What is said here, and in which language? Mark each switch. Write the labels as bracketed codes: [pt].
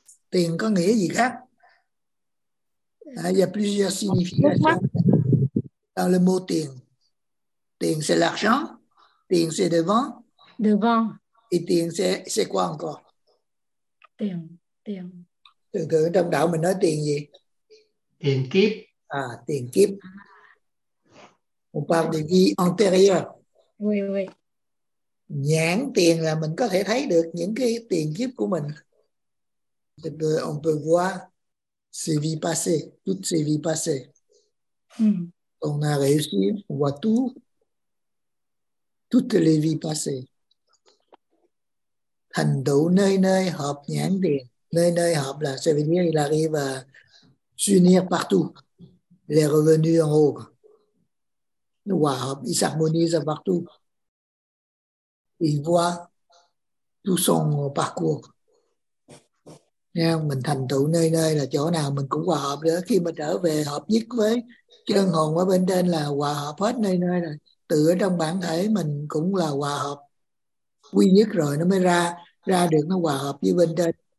[vi] Tiền có nghĩa gì khác? [fr] Il y a plusieurs significations dans le mot tiền. Tiền c'est l'argent, tiền c'est devant. Devant. Et tiền c'est quoi encore? [vi] Tiền. Thường thường trong đạo mình nói tiền gì? Tiền kiếp. À, tiền kiếp. [fr] On parle de vie antérieure. Oui, oui. [vi] Nhãn tiền là mình có thể thấy được những cái tiền kiếp của mình. [fr] On peut voir ses vies passées, toutes ses vies passées. On a réussi, on voit tout, toutes les vies passées. [vi] Thành tựu nơi nơi hợp nhãn tiền. Nơi nơi hợp là [fr] ça veut dire il arrive à s'unir partout. Il est revenu en haut. Il s'harmonise partout. Il voit tout son parcours. [vi] Mình thành tựu nơi nơi là chỗ nào mình cũng hòa hợp nữa. Khi mà trở về hợp nhất với chân hồn ở bên trên là hòa hợp hết nơi nơi rồi. Tự ở trong bản thể mình cũng là hòa hợp quy nhất rồi, nó mới ra được, nó hòa hợp với bên trên.